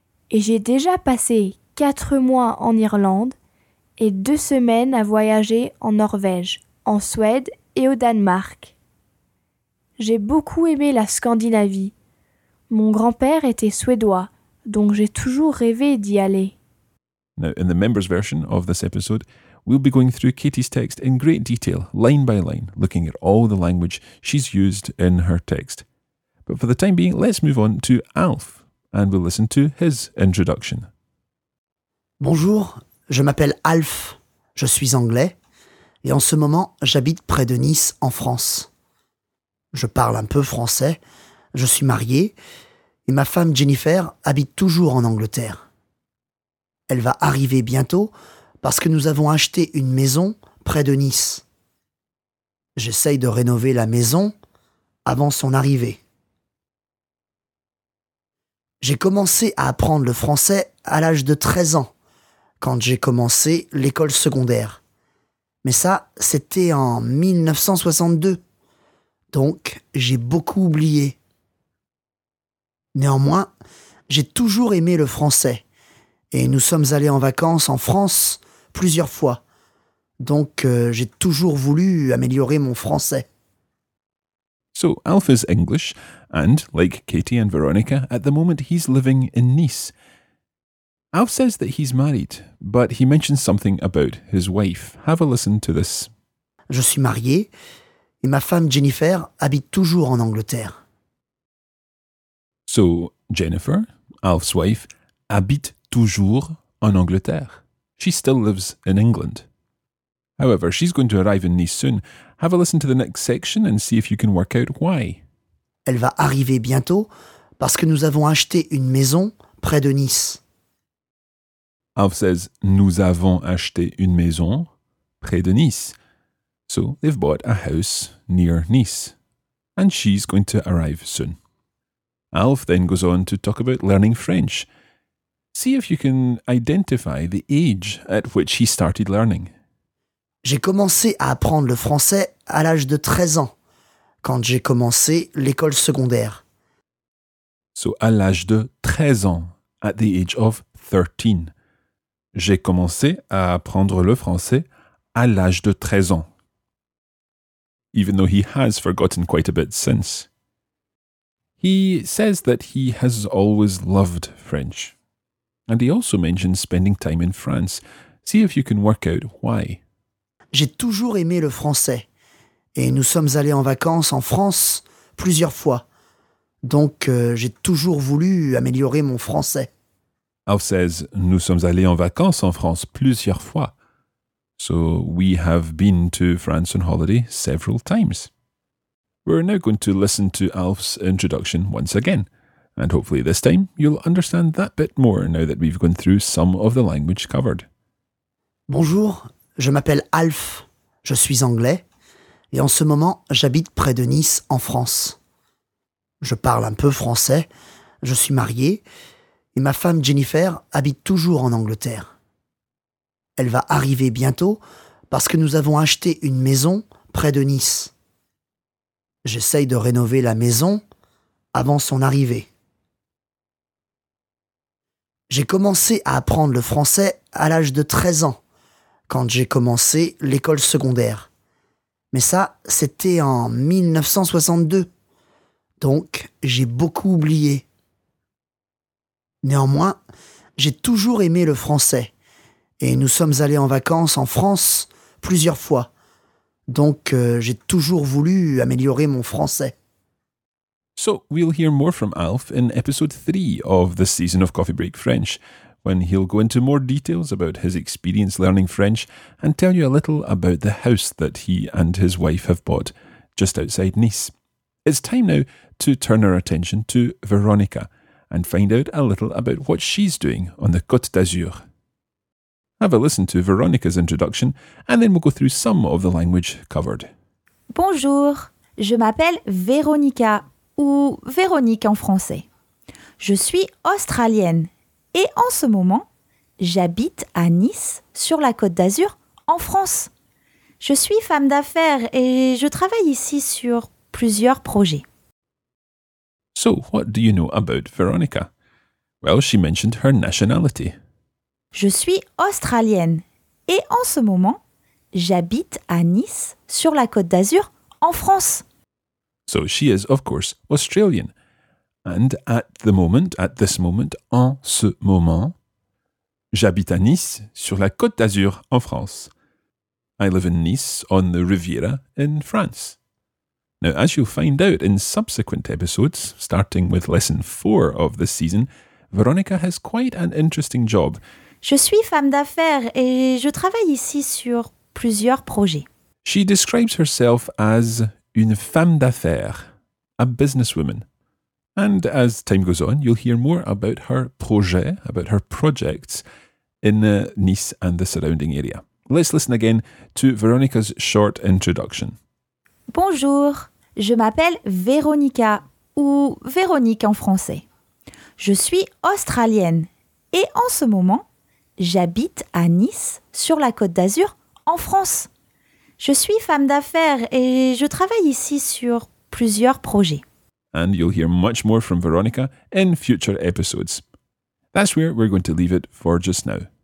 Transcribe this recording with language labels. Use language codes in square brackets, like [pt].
[fr] Et j'ai déjà passé 4 mois en Irlande et 2 semaines à voyager en Norvège, en Suède et au Danemark. J'ai beaucoup aimé la Scandinavie. Mon grand-père était suédois, donc j'ai toujours rêvé d'y aller. [en] Now, in the members' version of this episode, we'll be going through Katie's text in great detail, line by line, looking at all the language she's used in her text. But for the time being, let's move on to Alf, and we'll listen to his introduction. [fr] Bonjour, je m'appelle Alf, je suis anglais, et en ce moment, j'habite près de Nice, en France. Je parle un peu français, je suis marié, et ma femme Jennifer habite toujours en Angleterre. Elle va arriver bientôt, parce que nous avons acheté une maison près de Nice. J'essaye de rénover la maison avant son arrivée. J'ai commencé à apprendre le français à l'âge de 13 ans, quand j'ai commencé l'école secondaire. Mais ça, c'était en 1962. Donc, j'ai beaucoup oublié. Néanmoins, j'ai toujours aimé le français. Et nous sommes allés en vacances en France plusieurs fois. Donc, j'ai toujours voulu améliorer mon français. [en] So, Alf is English, and like Katie and Veronica, at the moment he's living in Nice. Alf says that he's married, but he mentions something about his wife. Have a listen to this. [fr] Je suis marié, et ma femme Jennifer habite toujours en Angleterre. [en] So, Jennifer, Alf's wife, [fr] habite toujours en Angleterre. [en] She still lives in England. However, she's going to arrive in Nice soon. Have a listen to the next section and see if you can work out why. [fr] Elle va arriver bientôt parce que nous avons acheté une maison près de Nice. [en] Alf says, [fr] nous avons acheté une maison près de Nice. [en] So, they've bought a house near Nice. And she's going to arrive soon. Alf then goes on to talk about learning French. See if you can identify the age at which he started learning. [fr] J'ai commencé à apprendre le français à l'âge de 13 ans, quand j'ai commencé l'école secondaire. [en] So, [fr] à l'âge de 13 ans, [en] at the age of 13. [fr] J'ai commencé à apprendre le français à l'âge de 13 ans. [en] Even though he has forgotten quite a bit since. He says that he has always loved French. And he also mentions spending time in France. See if you can work out why. [fr] J'ai toujours aimé le français. Et nous sommes allés en vacances en France plusieurs fois. Donc, j'ai toujours voulu améliorer mon français. [en] Alf says, [fr] nous sommes allés en vacances en France plusieurs fois. [en] So, we have been to France on holiday several times. We're now going to listen to Alf's introduction once again. And hopefully this time, you'll understand that bit more now that we've gone through some of the language covered. [fr] Bonjour, je m'appelle Alf. Je suis anglais. Et en ce moment, j'habite près de Nice, en France. Je parle un peu français. Je suis marié. Et ma femme Jennifer habite toujours en Angleterre. Elle va arriver bientôt parce que nous avons acheté une maison près de Nice. J'essaye de rénover la maison avant son arrivée. J'ai commencé à apprendre le français à l'âge de 13 ans, quand j'ai commencé l'école secondaire. Mais ça, c'était en 1962. Donc, j'ai beaucoup oublié. Néanmoins, j'ai toujours aimé le français. Et nous sommes allés en vacances en France plusieurs fois. Donc, j'ai toujours voulu améliorer mon français. [en] So, we'll hear more from Alf in episode 3 of this season of Coffee Break French, when he'll go into more details about his experience learning French and tell you a little about the house that he and his wife have bought just outside Nice. It's time now to turn our attention to Veronica and find out a little about what she's doing on the Côte d'Azur. Have a listen to Veronica's introduction and then we'll go through some of the language covered. [fr] Bonjour, je m'appelle Veronica, ou Véronique en français. Je suis australienne et en ce moment, j'habite à Nice, sur la Côte d'Azur, en France. Je suis femme d'affaires et je travaille ici sur plusieurs projets. [en] So, what do you know about Veronica? Well, she mentioned her nationality. [fr] Je suis australienne et en ce moment, j'habite à Nice, sur la Côte d'Azur, en France. [en] So she is, of course, Australian. And at the moment, at this moment, [fr] en ce moment, j'habite à Nice, sur la Côte d'Azur, en France. [en] I live in Nice, on the Riviera, in France. Now, as you'll find out in subsequent episodes, starting with lesson 4 of this season, Veronica has quite an interesting job. [fr] Je suis femme d'affaires et je travaille ici sur plusieurs projets. [en] She describes herself as [fr] une femme d'affaires, [en] a businesswoman. And as time goes on, you'll hear more about her projet, about her projects in Nice and the surrounding area. Let's listen again to Veronica's short introduction. [fr] Bonjour, je m'appelle Veronica, ou Véronique en français. Je suis australienne et en ce moment, j'habite à Nice, sur la Côte d'Azur, en France. Je suis femme d'affaires et je travaille ici sur plusieurs projets. [en] And you'll hear much more from Veronica in future episodes. That's where we're going to leave it for just now.